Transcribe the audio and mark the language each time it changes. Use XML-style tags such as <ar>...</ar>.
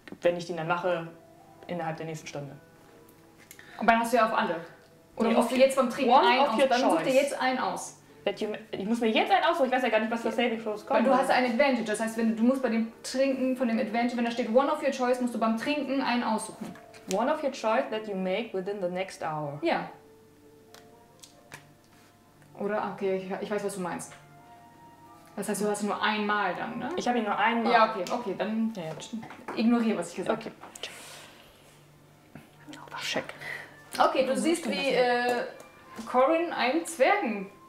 <de>wenn ich den dann mache, innerhalb der nächsten Stunde. Und dann hast du ja auf alle. Oder nee, auf jetzt beim Trinken</de> <en>one</en> <de>einen</de> <en>of your</en> <de>dann</de> <en>choice.</en> <de>Such dir jetzt einen aus. Ich muss mir jetzt einen aussuchen, ich weiß ja gar nicht, was für Saving Throws kommt. Weil du hast ein Advantage, das heißt, wenn du musst bei dem Trinken von dem Advantage, wenn da steht</de> <en>One of your choice,</en> <de>musst du beim Trinken einen aussuchen.</de> <en>One of your choice that you make within the next hour.</en> <de>Ja. Oder, okay, ich weiß, was du meinst. Das heißt, du hast ihn nur einmal dann, ne? Ich habe ihn nur einmal. Ja, okay, okay, dann ja, ja. Ignoriere, was ich gesagt habe. Okay. Was? Check. Okay, du siehst, wie Corin einen Zwergen...</de>